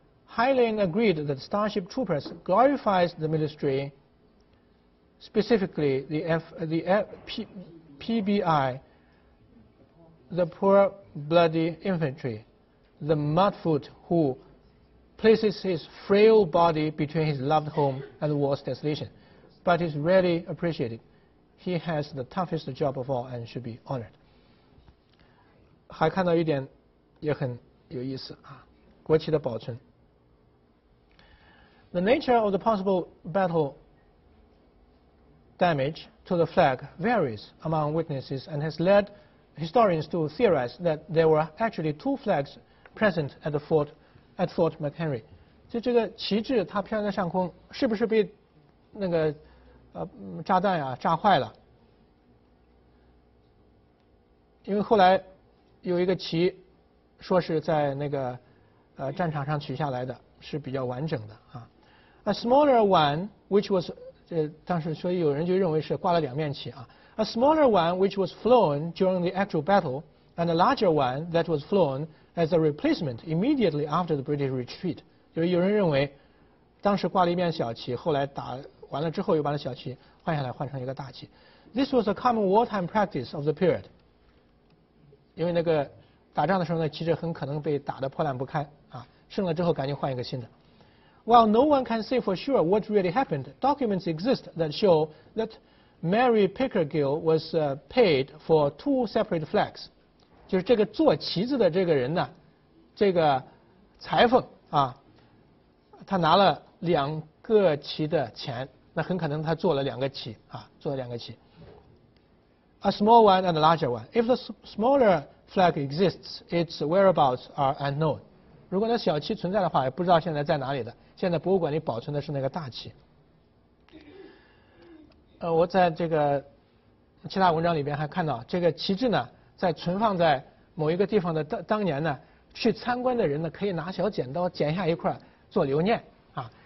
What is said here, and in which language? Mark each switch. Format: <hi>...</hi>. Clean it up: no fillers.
<en>Heinlein agreed that Starship Troopers glorifies the military, specifically the PBI, the poor bloody infantry, the mudfoot who places his frail body between his loved home and the war's desolation, but is rarely appreciated. He has the toughest job of all and should be honored.</en> <zh>还看到一点也很有意思啊，国旗的保存。</zh> <en>The nature of the possible battle damage to the flag varies among witnesses and has led historians to theorize that there were actually two flags present at Fort McHenry.</en> <zh>就这个旗帜它飘在上空是不是被那个炸弹啊炸坏了，因为后来有一个旗说是在那个战场上取下来的，是比较完整的啊。</zh> <en>A smaller one, which was,</en> <zh>当时所以有人就认为是挂了两面旗啊。</zh> <en>A smaller one, which was flown during the actual battle, and a larger one that was flown as a replacement immediately after the British retreat.</en> <zh>就是有人认为，当时挂了一面小旗，后来打完了之后又把那小旗换下来，换成一个大旗。</zh> <en>This was a common wartime practice of the period.</en> <zh>因为那个打仗的时候呢，旗帜很可能被打得破烂不堪啊，剩了之后赶紧换一个新的。</zh> <en>While no one can say for sure what really happened, documents exist that show that Mary Pickergill was paid for two separate flags.</en> <zh>就是这个做旗子的这个人呢，这个裁缝啊，他拿了两个旗的钱，那很可能他做了两个旗啊，做了两个旗。</zh> <en>A small one and a larger one. If the smaller flag exists, its whereabouts are unknown.</en> <zh>如果那小旗存在的话，也不知道现在在哪里的。现在博物馆里保存的是那个大旗。我在这个其他文章里边还看到，这个旗帜呢，在存放在某一个地方的当年呢，去参观的人呢，可以拿小剪刀剪下一块做留念啊。</zh>